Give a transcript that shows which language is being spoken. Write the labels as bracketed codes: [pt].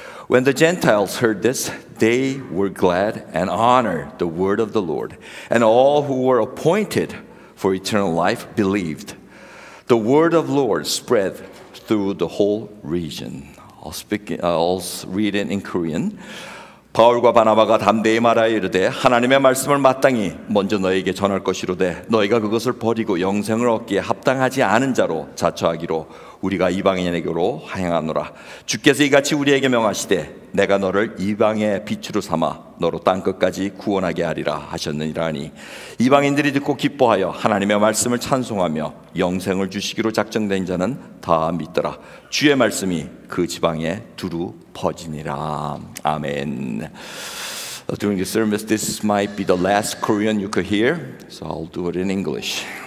[en] When the Gentiles heard this, they were glad and honored the word of the Lord, and all who were appointed for eternal life believed. The word of the Lord spread through the whole region. I'll read it in Korean. [ko] 바울과 바나바가 담대히 말하여 이르되 하나님의 말씀을 마땅히 먼저 너희에게 전할 것이로되 너희가 그것을 버리고 영생을 얻기에 합당하지 않은 자로 자처하기로 우리가 이방인에게로 하향하노라. 주께서 이같이 우리에게 명하시되 내가 너를 이방의 빛으로 삼아 너로 땅끝까지 구원하게 하리라 하셨느니라니 이방인들이 듣고 기뻐하여 하나님의 말씀을 찬송하며 영생을 주시기로 작정된 자는 다 믿더라. 주의 말씀이 그 지방에 두루 퍼지니라. 아멘. [en] During the sermon, this might be the last Korean you could hear, so I'll do it in English.